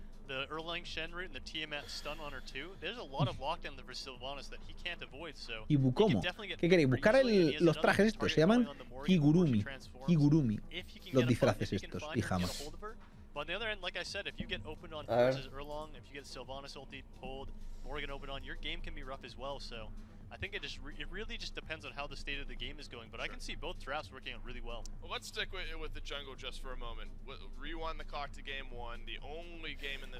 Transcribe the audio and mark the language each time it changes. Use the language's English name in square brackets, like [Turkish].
[English] the Erlang Shen root and the Tiamat stun on her too. There's a lot of lockdown for Sylvanas that he can't avoid, so. [Spanish] ¿Y cómo? ¿Qué queréis? Buscar el, los trajes estos, se llaman Higurumi. Higurumi. Los disfraces estos, pijamas. [English] But on the other end, like I said, if you get opened on versus Erlang, if you get Sylvanas ulti pulled, Morgan opened on, your game can be rough as well, so I think it just it really just depends on how the state of the game is going, but sure. I can see both drafts working out really well. Well, let's stick with the jungle just for a moment. Rewind the clock to game one, the only game in this